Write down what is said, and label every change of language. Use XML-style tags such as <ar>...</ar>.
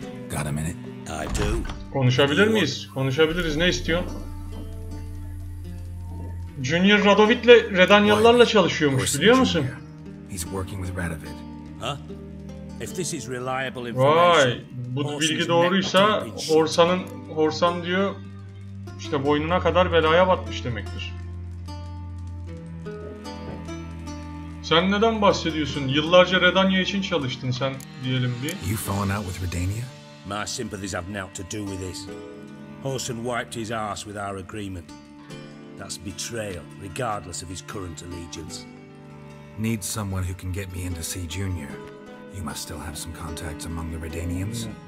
<en>Got a minute? I do.</en> <tr>Konuşabilir miyiz? Konuşabiliriz. Ne istiyorsun? Junior Radovid'le Redanyalılarla çalışıyormuş, biliyor musun?</tr> <en>He's working with Radovid. If this is reliable information.</en> <tr>Vay, bu bilgi doğruysa Horsan diyor işte boynuna kadar belaya batmış demektir. Sen neden bahsediyorsun? Yıllarca Redania için çalıştın sen diyelim bir.</tr> <en>You fallen out with Redania? My sympathies have nothing to do with this. Horsan wiped his ass with our agreement. That's betrayal, regardless of his current allegiance. Need someone who can get me in to see Junior. You must still have some contacts among the Redanians.</en>